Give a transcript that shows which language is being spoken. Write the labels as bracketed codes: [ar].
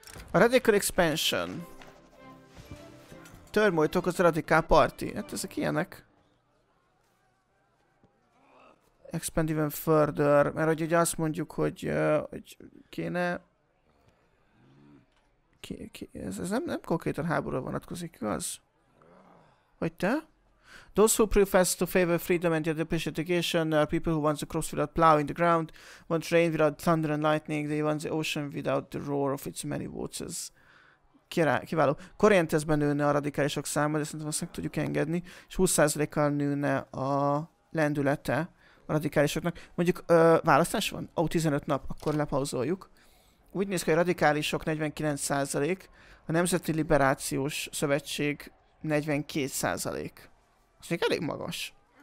[en] A Radical Expansion. [hu] Turmoil-t okoz a Radical Party. Hát ezek ilyenek. [en] Expand even further. [hu] Mert hogy ugye azt mondjuk, hogy kéne... Ez nem konkrétan háborúra vonatkozik, igaz? Hogy te? [en] Those who profess to favor freedom and the education are people who want the cross without plowing the ground, want rain without thunder and lightning, they want the ocean without the roar of its many waters. [hu] Kiváló. Corrientesben nőne a radikálisok száma, de szerintem azt meg tudjuk engedni, és 20%-kal nőne a lendülete a radikálisoknak. Mondjuk választás van? Ó, 15 nap, akkor lepauzoljuk. Úgy néz ki, hogy a radikálisok 49%, a Nemzeti Liberációs Szövetség 42%. Ez még elég magas.